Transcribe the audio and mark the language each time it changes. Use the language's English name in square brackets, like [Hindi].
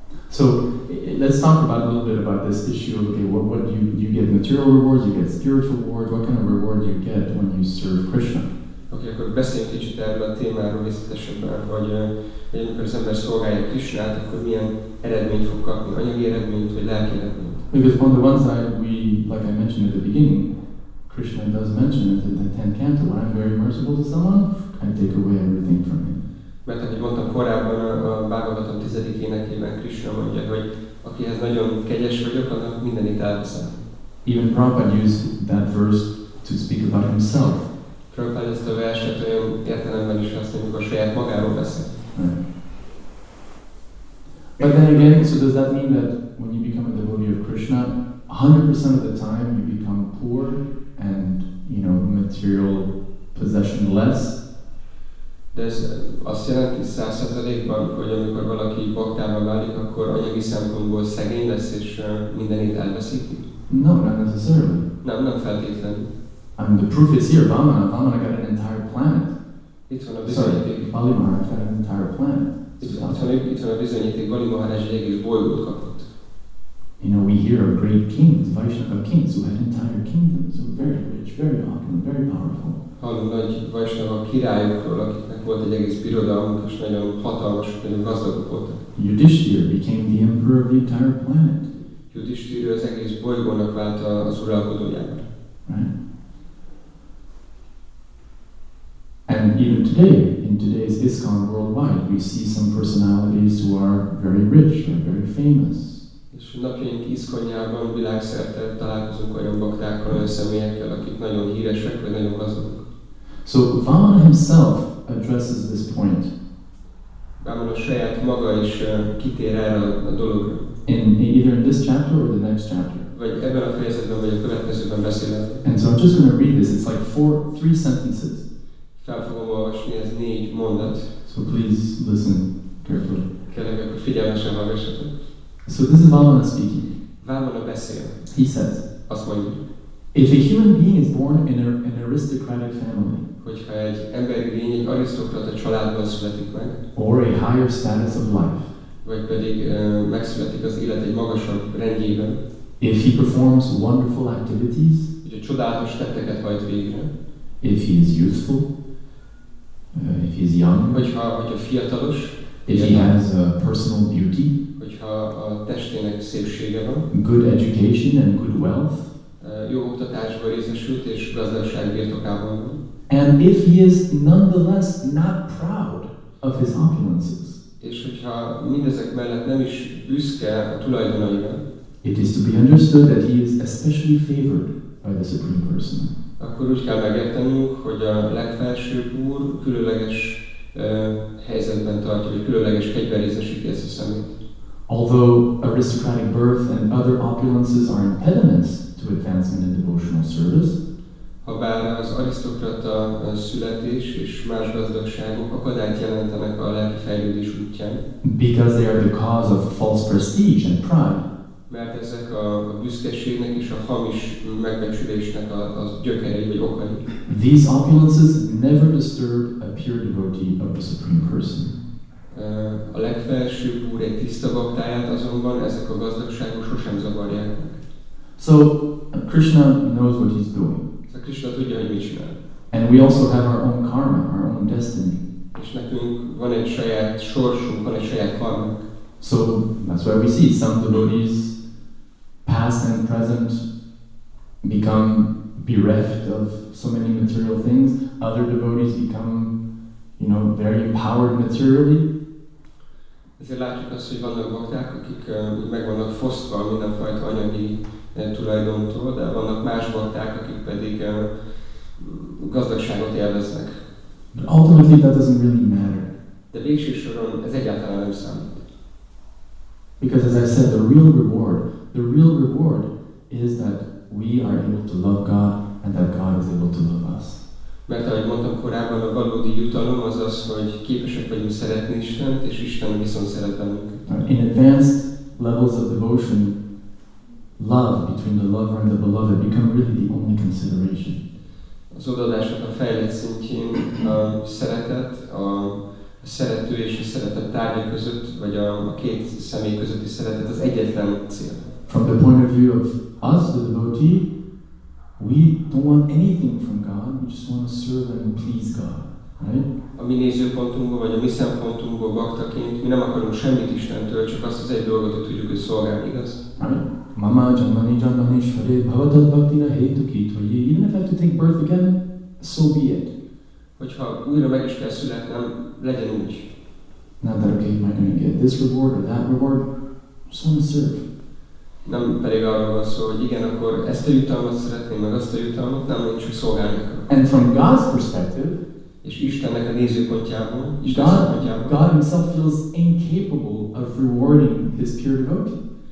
[English] So, let's talk about a little bit about this issue. Okay, what do you get material rewards, you get spiritual rewards, what kind of reward do you get when you serve Krishna? [Hungarian] Okay, akkor beszéljünk kicsit erről a témáról részletesebben, hogy amikor az ember szolgálja Krishnát, akkor milyen eredményt fog kapni, anyagi eredményt, vagy lelki eredményt? [English] Because on the one side, we, like I mentioned at the beginning, Krishna does mention it in the 10th canto, when I'm very merciful to someone, I take away everything from him. [Hungarian] Mert ahogy mondtam korábban a Bhagavatam 10. énekében Krishna mondja, hogy akihez nagyon kegyes vagyok, annak mindenit elveszem. [English] Even Prabhupada used that verse to speak about himself. [Hungarian] Prabhupada ezt a verset olyan értelemben is használja, amikor saját magáról beszél. [English] Right. But then again, so does that mean that when you become a devotee of Krishna, 100% of the time you become poor and, you know, material possession less? [Hungarian] De ez azt jelenti 100%-ban, hogy amikor valaki baktává válik, akkor anyagi szempontból szegény lesz, és mindenit elveszíti? [English] No, not necessarily. [Hungarian] Nem, nem feltétlenül. [English] I mean, the proof is here, Vamana. Vamana got an entire planet. [Hungarian] Itt van a bizonyíték. [English] Sorry, Bali Maharaj got an entire planet. [Hungarian] Itt van a bizonyíték, Bali Maharaj egy egész bolygót kapott. [English] You know, we hear of great kings, Vaishnava kings, who had entire kingdoms, who were very rich, very opulent, very powerful. [Hungarian] Hallunk nagy Vaishnava királyokról, akiknek volt egy egész birodalmuk, és nagyon hatalmas, nagyon gazdagok voltak. [English] Yudhishthira became the emperor of the entire planet. [Hungarian] Yudhishthira az egész bolygónak vált az uralkodójában. [English] And even today, in today's ISKCON worldwide, we see some personalities who are very rich and very famous. [Hungarian] És napjaink ISKCON-jában világszerte találkozunk olyan baktákkal, olyan személyekkel, akik nagyon híresek, vagy nagyon gazdagok. [English] So Vamana himself addresses this point. [Hungarian] Vamana saját maga is kitér erre a dologra. [English] Either in this chapter or the next chapter. [Hungarian] Vagy ebben a fejezetben, vagy a következőben beszél. [English] And so I'm just going to read this. It's like three sentences. [Hungarian] Fel fogom olvasni, ez négy mondat. [English] So please listen carefully. [Hungarian] Kérlek, akkor figyelmesen hallgassatok. [English] So this is Vamana speaking. [Hungarian] Vamana beszél. [English] He says, [Hungarian] azt mondja, [English] if a human being is born in an aristocratic family, [Hungarian] hogyha egy emberi lény egy arisztokrata családban születik meg, [English] or a higher status of life, [Hungarian] vagy pedig megszületik az élet egy magasabb rendjében, [English] if he performs wonderful activities, [Hungarian] hogyha csodálatos tetteket hajt végre, [English] if he is youthful, if he is young, [Hungarian] hogyha fiatalos, [English] if he has a personal beauty, [Hungarian] hogyha a testének szépsége van, [English] good education and good wealth, [Hungarian] jó oktatásba részesült és gazdaság birtokában van, [English] and if he is nonetheless not proud of his opulences, [Hungarian] és hogyha mindezek mellett nem is büszke a tulajdonaira, [English] it is to be understood that he is especially favored by the Supreme Person. [Hungarian] Akkor úgy kell megértenünk, hogy a legfelsőbb úr különleges helyzetben tartja, hogy különleges kegyben részesíti ezt a szemét. [English] Although aristocratic birth and other opulences are impediments to advancement in devotional service, [Hungarian] habár az arisztokrata születés és más gazdagságok akadályt jelentenek a lelki fejlődés útján, [English] because they are the cause of false prestige and pride, [Hungarian] mert ezek a büszkeségnek és a hamis megbecsülésnek a gyökerei vagy okai. [English] These opulences never disturb a pure devotee of the Supreme Person. [Hungarian] A legfelsőbb úr egy tiszta baktáját azonban ezek a gazdagságok sosem zavarják. [English] So Krishna knows what he's doing. [Hungarian] Szóval Krishna tudja, hogy mit csinál. [English] And we also have our own karma, our own destiny. [Hungarian] És nekünk van egy saját sorsunk, van egy saját karmunk. [English] So that's why we see some devotees, past and present, become bereft of so many material things. Other devotees become, you know, very empowered materially. [Hungarian] Ezért látjuk azt, hogy vannak bakták, akik meg vannak fosztva mindenfajta anyagi tulajdontól, de vannak más bakták, akik pedig gazdagságot élveznek. [English] But ultimately that doesn't really matter. [Hungarian] De végső soron ez egyáltalán nem számít. [English] Because as I said, the real reward is that we are able to love God and that God is able to love us. [Hungarian] Mert ahogy mondtam korábban, a valódi jutalom az az, hogy képesek vagyunk szeretni Istent, és Isten viszont szeret bennünket. [English] In advanced levels of devotion, love between the lover and the beloved become really the only consideration. [Hungarian] Az odaadásnak a fejlett szintjén a szeretet, a szerető és a szeretett tárgya között, vagy a két személy közötti szeretet az egyetlen cél. [English] From the point of view of us, the devotee, we don't want anything from God, we just want to serve and please God, right? [Hungarian] A mi nézőpontunkból, vagy a mi szempontunkból, baktaként, mi nem akarunk semmit Istentől, csak azt az egy dolgot, hogy tudjuk, hogy szolgálni, igaz? [Sanskrit] Right? Mama jamani jamani shvare bhavatad bhaktina hetu ketvai. [English] Even if I have to take birth again, so be it. [Hungarian] Hogyha újra meg is kell születnem, legyen úgy. [English] Not that okay, am I going to get this reward or that reward? Just want to serve. [Hungarian] Nem pedig arról van szó, hogy igen, akkor ezt a jutalmat szeretném, meg azt a jutalmat, nem, én csak szolgálni akarok. [English] And from God's perspective, [Hungarian] és Istennek a nézőpontjából, [English] God himself feels incapable of rewarding his pure devotee.